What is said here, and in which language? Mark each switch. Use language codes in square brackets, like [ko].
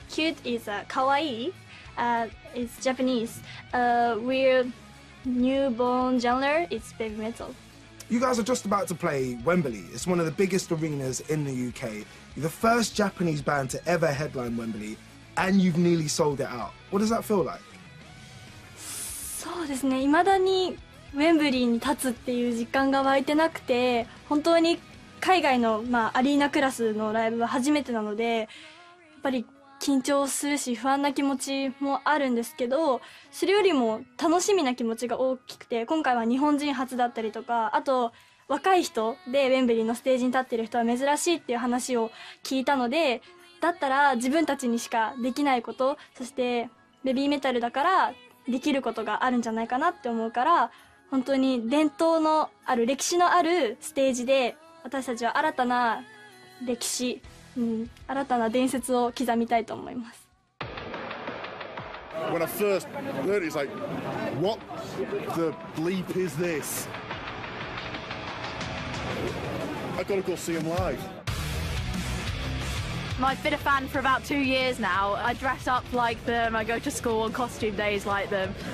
[en] Cute is kawaii. It's Japanese. We're newborn genre, it's Babymetal. You guys are just about to play Wembley. It's one of the biggest arenas in the UK. You're the first Japanese band to ever headline Wembley, and you've nearly sold it out. What does that feel like? [ja] そうですね、いまだにウェンブリーに立つっていう実感が湧いてなくて、本当に海外の、まあ、アリーナクラスのライブは初めてなので、やっぱり緊張するし不安な気持ちもあるんですけど、それよりも楽しみな気持ちが大きくて、今回は日本人初だったりとか、あと若い人でウェンブリーのステージに立ってる人は珍しいっていう話を聞いたので、だったら自分たちにしかできないこと、そしてベビーメタルだからできることがあるんじゃないかなって思うから、本当に伝統のある歴史のあるステージで私たちは新たな歴史、新たな伝説を刻みたいと思います。 [en] When I first heard it, it's like, what the bleep is this? I gotta go see him live. I've been a fan for about 2 years now. I dress up like them, I go to school on costume days like them.